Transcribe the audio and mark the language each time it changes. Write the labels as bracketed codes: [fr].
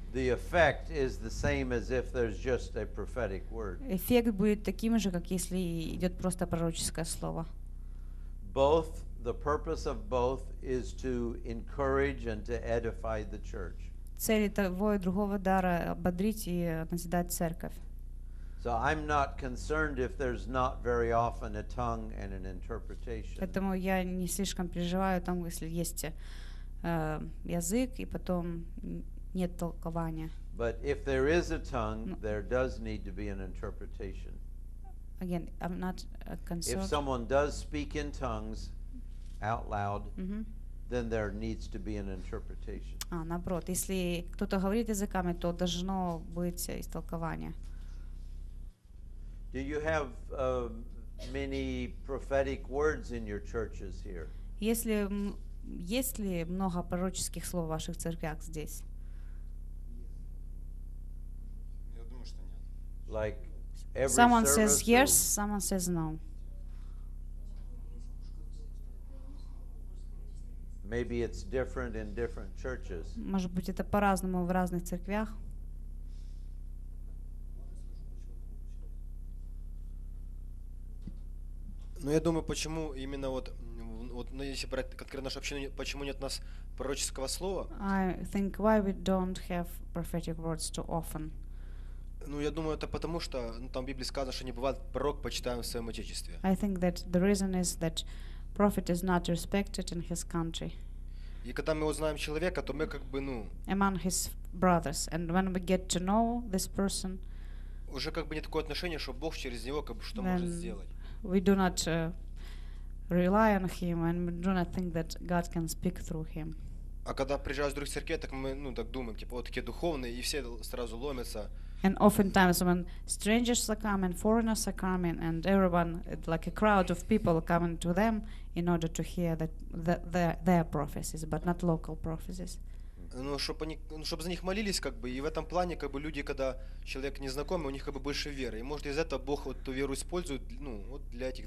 [en] The effect is the same as if there's just a prophetic word. [ru] Эффект будет таким же, как если идет просто пророческое слово. [en] Both the purpose of both is to encourage and to edify the church. [ru] Цель того и другого дара ободрить и назидать церковь. [en] So I'm not concerned if there's not very often a tongue and an interpretation. [ru] Поэтому я не слишком переживаю о том, если есть язык и потом нет толкования. [en] But if there is a tongue, there does need to be an interpretation. Again, I'm not concerned. If someone does speak in tongues out loud, then there needs to be an interpretation. [ru] А, наоборот, если кто-то говорит языками, то должно быть истолкование. [en] Do you have many prophetic words in your churches here? [ru] Есть ли много пророческих слов в ваших церквях здесь? Я думаю, что нет. [en] Like every someone service says yes, or? Someone says no. Maybe it's different in different churches. [ru] Может быть, это по-разному в разных церквях. Ну, я думаю, почему именно вот ну, если брать конкретно нашу общину, почему нет у нас пророческого слова? [en] I think why we don't have prophetic words too often. [ru] Ну, я думаю, это потому, что ну, там в Библии сказано, что не бывает пророк почитаем в своем отечестве. [en] I think that the reason is that prophet is not respected in his country. [ru] И когда мы узнаем человека, то мы как бы, ну... [en] Among his brothers. And when we get to know this person... [ru] Уже как бы не такое отношение, что Бог через него как бы что может сделать. [en] We do not rely on him, and we do not think that God can speak through him. [ru] А когда приезжаю из других церквей, так мы, ну, так думаем, типа, вот такие духовные, и все сразу ломятся. [en] And oftentimes when strangers are coming, foreigners are coming, and everyone, like a crowd of people, coming to them in order to hear their prophecies, but not local prophecies. [ru] Ну, чтобы они, ну, чтобы за них молились, как бы, и в этом плане, как бы, люди, когда человек незнакомый, у них, как бы, больше веры. И, может, из этого Бог вот ту веру использует, ну, вот для этих